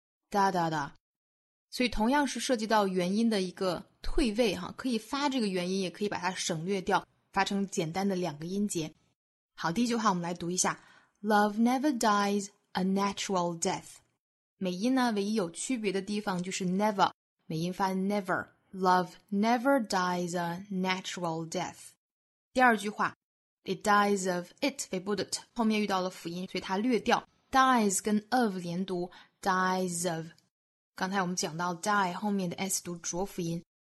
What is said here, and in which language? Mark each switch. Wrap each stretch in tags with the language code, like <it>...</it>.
<zh>哒哒哒所以同样是涉及到元音的一个退位哈，可以发这个元音也可以把它省略掉发成简单的两个音节好第一句话我们来读一下</zh> <en>Love never dies a natural death.</en> <zh>美音呢，唯一有区别的地方就是 never, 美音发 never.</zh> <en>Love never dies a natural death.</en> <zh>第二句话 ,it dies of it, 尾部的 t, 后面遇到了辅音所以它略掉。 dies 跟 of 连读 ,dies of. 刚才我们讲到 die, 后面的 s 读浊辅音。</zh>